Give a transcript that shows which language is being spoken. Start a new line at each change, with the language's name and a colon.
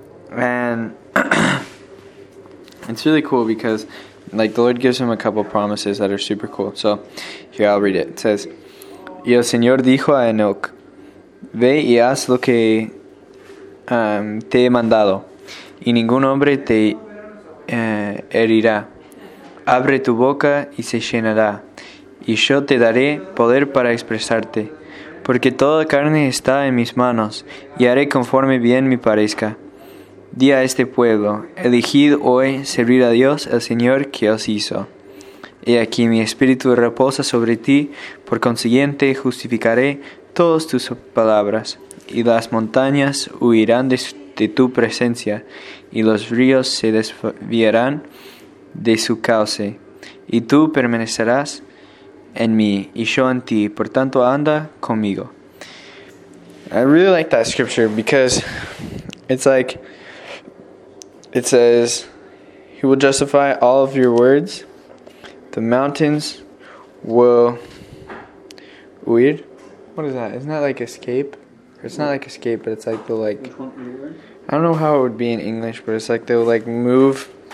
English: And it's really cool because like the Lord gives him a couple promises that are super cool. So here, I'll read it. It says,
Spanish: y el Señor dijo a Enoch, ve y haz lo que te he mandado, y ningún hombre te herirá. Abre tu boca y se llenará, y yo te daré poder para expresarte, porque toda carne está en mis manos, y haré conforme bien me parezca. Di a este pueblo, elegid hoy servir a Dios, el Señor que os hizo. He aquí mi espíritu reposa sobre ti, por consiguiente justificaré todas tus palabras, y las montañas huirán de tu presencia, y los ríos se desviarán de su cauce, y tú permanecerás en mí, y yo en ti, por tanto anda conmigo.
English: I really like that scripture because it's like, it says, he will justify all of your words. The mountains will huir. What is that? Isn't that like escape? It's not like escape, but it's like the like, I don't know how it would be in English, but it's like they'll like move.